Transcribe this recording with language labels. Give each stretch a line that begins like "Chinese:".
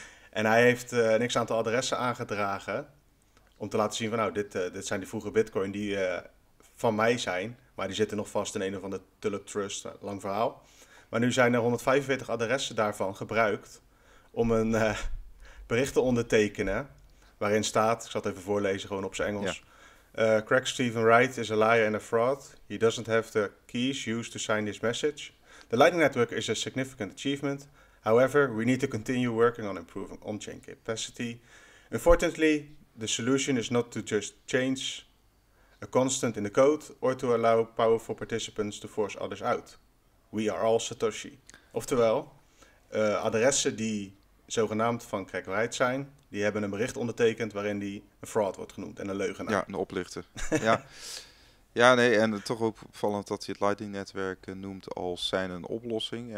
Dutch: En hij heeft een x-aantal adressen aangedragen om te laten zien van, nou, dit zijn die vroege bitcoin die van mij zijn. Maar die zitten nog vast in een of andere Tulip Trust, lang verhaal. Maar nu zijn er 145 adressen daarvan gebruikt om een bericht te ondertekenen, waarin staat, ik zal het even voorlezen, gewoon op zijn Engels.
English: Ja. Craig Stephen Wright is a liar and a fraud. He doesn't have the keys used to sign this message. The Lightning Network is a significant achievement. However, we need to continue working on improving on-chain capacity. Unfortunately, the solution is not to just change a constant in the code or to allow powerful participants to force others out. We are all Satoshi.
Dutch: Oftewel, adressen die zogenaamd van Craig Wright zijn, die hebben een bericht ondertekend waarin die een fraud wordt genoemd en een leugenaar. Ja, een oplichter. Ja. Ja, nee, en toch ook opvallend dat hij het Lightning-netwerk noemt als zijn een oplossing.